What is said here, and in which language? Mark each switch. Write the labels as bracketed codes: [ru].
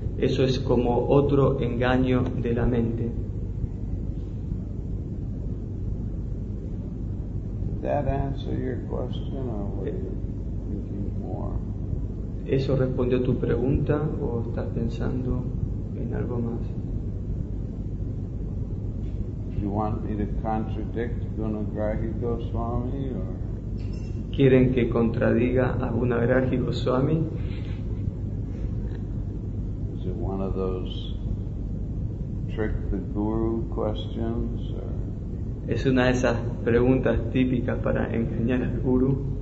[es] Eso es como otro engaño de la mente. [en] Did that answer your question, or were you thinking more? [es] ¿Eso respondió a tu pregunta o estás pensando en algo más? [en] You want me to contradict Gunagrahi Goswami, or? [es] ¿Quieren que contradiga a Gunagrahi Goswami? [en] Is it one of those trick the guru questions, or? [es] ¿Es una de esas preguntas típicas para engañar al guru?